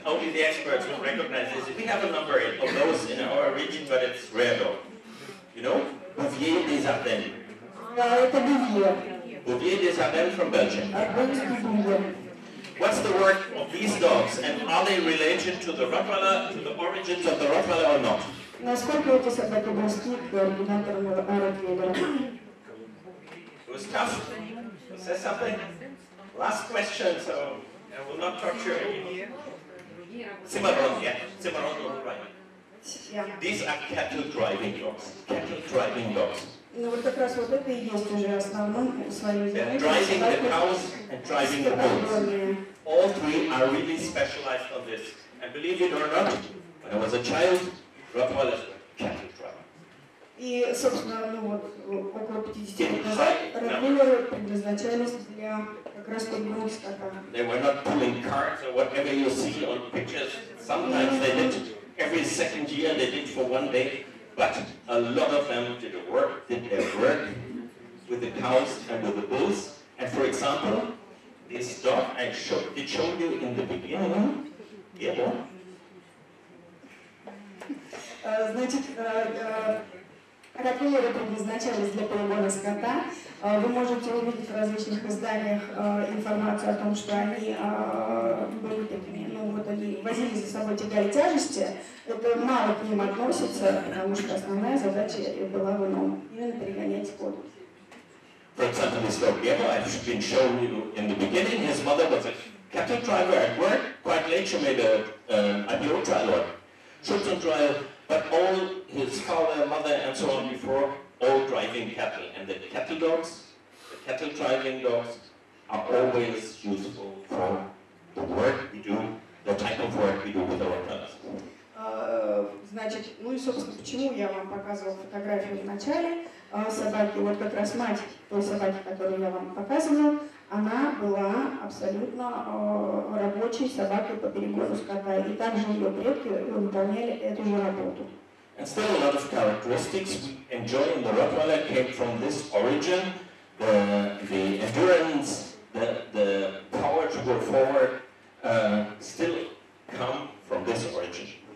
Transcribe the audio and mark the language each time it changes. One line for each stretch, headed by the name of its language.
English: Only the experts will recognize this. We have a number of those in our region, but it's rare dog. You know? Bouvier des Ardennes. Yeah, it's Bouvier. Bouvier des Ardennes from Belgium. What's the work of these dogs, and are they related to the Rottweiler, to the origins of the Rottweiler or not?
Russian: Насколько эти собаки близки к оригинаторам Ротвейлера?
English: It was tough. Say something? Last question, so I will not torture you. Cimarron, yeah. Cimarron on the right. Yeah. These are cattle driving dogs. Cattle driving dogs.
Russian: Ну вот как раз вот это и есть уже основное свое
English: занятие. Driving the cows and driving the bulls. All three are really specialized on this. And believe it or not, when I was a child, Rottweilers were cattle driving.
Russian: И, собственно, ну вот, около 50 лет назад ротвейлеры предназначались для как раз подгруз скота.
English: They were not pulling carts or whatever you see on pictures. Sometimes they did. Every second year they did for one day. But a lot of them did their work with the cows and with the bulls. And for example, this dog I showed you in the beginning. Yeah, boy.
Russian: Ротвейлеры предназначались для полугона скота. Вы можете увидеть в различных изданиях информацию о том, что они были такими, ну вот они возили за собой тягали тяжести. Это мало к ним относится, потому что основная задача была в ином, именно перегонять скот.
English: For example, this dog Gebo, I've been showing you in the beginning, his mother was a cattle driver at work, quite late she made a trial or shooting trial. But all his father, mother, and so on before, all driving cattle. And the cattle driving dogs, are always useful for the work we do, the type of work we do with our cattle.
Russian: Значит, ну и, собственно, почему я вам показывала фотографию в начале собаки. Вот как раз мать той собаки, которую я вам показывала, она была абсолютно рабочей собакой по перегону скота. И также ее предки выполняли эту же работу.
English: And still a lot of characteristics enjoying the Rottweiler came from this origin, the endurance, the power, forward to go forward still come from this origin.